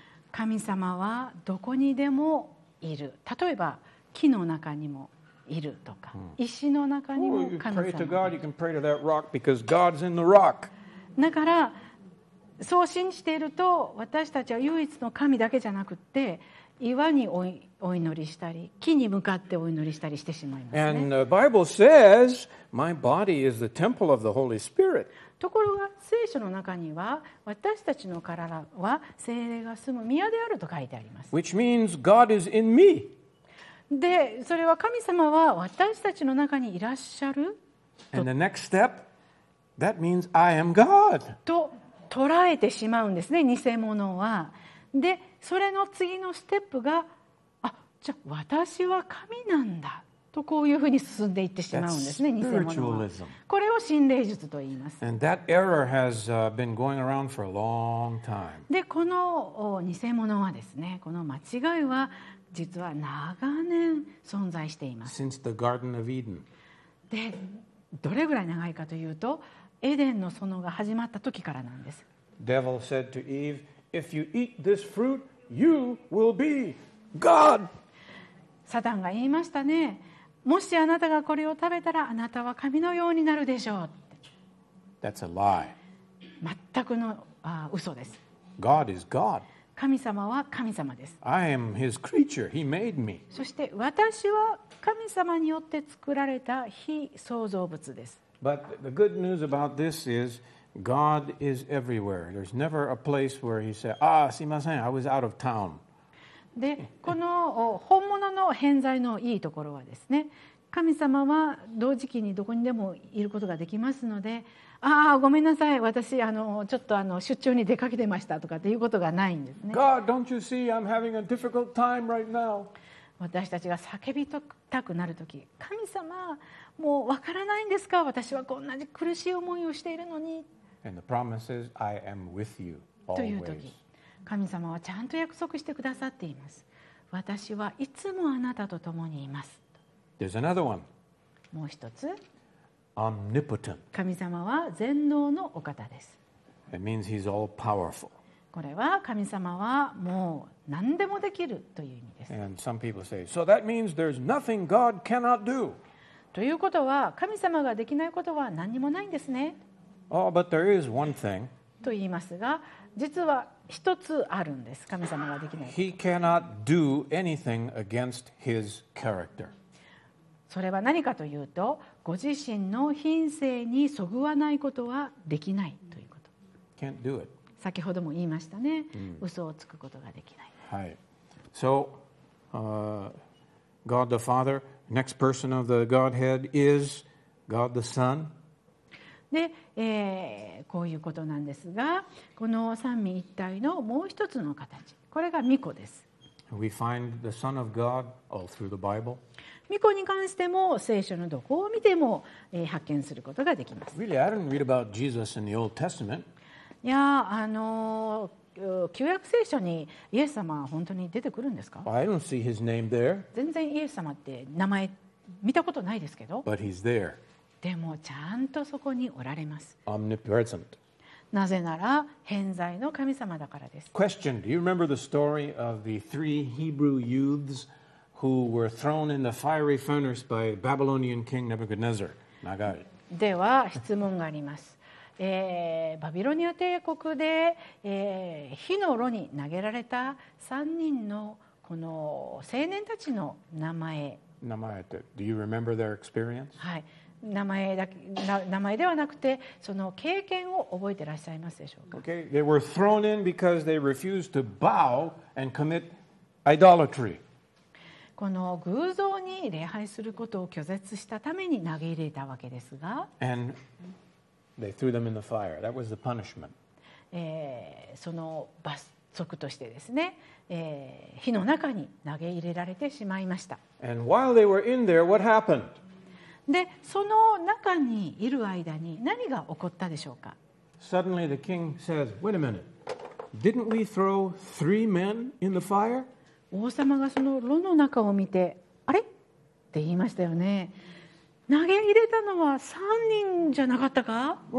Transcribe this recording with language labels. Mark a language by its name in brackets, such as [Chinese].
[Japanese] 神様はどこにでもいる。例えば木の中にもいるとか、石の中にも神様がいる。 [English] Pray to God, you can pray to that rock because God's in the rock. [Japanese] だからそう信じていると、私たちは唯一の神だけじゃなくって、岩にお祈りしたり、木に向かってお祈りしたりしてしまいますね。 [English] And the Bible says, my body is the temple of the Holy Spirit. [Japanese] ところが聖書の中には、私たちの体は聖霊が住む宮であると書いてあります。 [English] Which means God is in me. [Japanese] で、それは神様は私たちの中にいらっしゃる。 [English] And the next step, that means I am God. [Japanese] と捉えてしまうんですね、偽物は。で、それの次のステップが、あ、じゃあ私は神なんだと、こういうふうに進んでいってしまうんですね、偽物は。これを心霊術と言います。 [English] And that error has been going around for a long time. [Japanese] で、この偽物はですね、この間違いは実は長年存在しています。 [English] Since the Garden of Eden. [Japanese] で、どれぐらい長いかというと、エデンの園が始まった時からなんです。 [English] Devil said to Eve,If you eat this fruit, you will be God. [Japanese] サタンが言いましたね。もしあなたがこれを食べたら、あなたは神のようになるでしょう。 [English] That's a lie. [Japanese] 全くの嘘です。 [English] God is God. [Japanese] 神様は神様です。 [English] I am His creature. He made me. [Japanese] そして私は神様によって作られた非創造物です。 [English] But the good news about this is,God is everywhere. There's never a place where he said, Ah, [Japanese] すいません, [English] I was out of town. [Japanese] で、この本物の偏在のいいところはですね、神様は同時期にどこにでもいることができますので、ああ、ごめんなさい、私ちょっと出張に出かけてましたとかっていうことがないんですね。 [English] God, don't you see I'm having a difficult time right now? [Japanese] 私たちが叫びたくなるとき、神様、もう分からないんですか、私はこんなに苦しい思いをしているのに。 [English] And the promise is, I am with you always. [Japanese] というとき、神様はちゃんと約束してくださっています。私はいつもあなたと共にいます。 [English] There's another one. [Japanese] もう一つ。 [English] Omnipotent. [Japanese] 神様は全能のお方です。 [English] It means he's all powerful. [Japanese] これは神様はもう何でもできるという意味です。 [English] And some people say, so that means there's nothing God cannot do. [Japanese] ということは、神様ができないことは何もないんですね。 [English] Oh, but there is one thing. [Japanese] と言いますが、実は一つあるんです。神様ができない。 [English] He cannot do anything against his character. [Japanese] それは何かというと、ご自身の品性にそぐわないことはできないということ。 [English] Can't do it. [Japanese] 先ほども言いましたね。 Mm. 嘘をつくことができない。はい。 [English] So, God the Father, next person of the Godhead is God the Son. [Japanese] で、こういうことなんですが、この三位一体のもう一つの形、これが御子です。 [English] We find the Son of God all through the Bible. [Japanese] 御子に関しても聖書のどこを見ても、発見することができます。 [English] Really, I didn't read about Jesus in the Old Testament. [Japanese] いや、旧約聖書にイエス様は本当に出てくるんですか？ [English] I don't see his name there. [Japanese] 全然イエス様って名前見たことないですけど。 [English] But he's there. [Japanese] でもちゃんとそこにおられます。 [English] Omnipresent. [Japanese] なぜなら偏在の神様だからです。 [English] Question: Do you remember the story of the three Hebrew youths who were thrown in the fiery furnace by Babylonian king Nebuchadnezzar? [Japanese] 長い。では質問があります。バビロニア帝国で、火の炉に投げられた3人のこの青年たちの名前。名前って、 [English] Do you remember their experience? [Japanese] はい。名前ではなくてその経験を覚えてらっしゃいますでしょうか。 [English] Okay, they were thrown in because they refused to bow and commit idolatry. [Japanese] この偶像に礼拝することを拒絶したために投げ入れたわけですが。 [English] And they threw them in the fire. That was the punishment. [Japanese] その罰則としてですね、火の中に投げ入れられてしまいました。 [English] And while they were in there, what happened? [Japanese] でその中にいる間に何が起こったでしょうか。 [English] Suddenly the king says, wait a minute, didn't we throw three men in the fire? [Japanese] 王様がその炉の中を見て、あれ?って言いましたよね。投げ入れたのは3人じゃなかったか?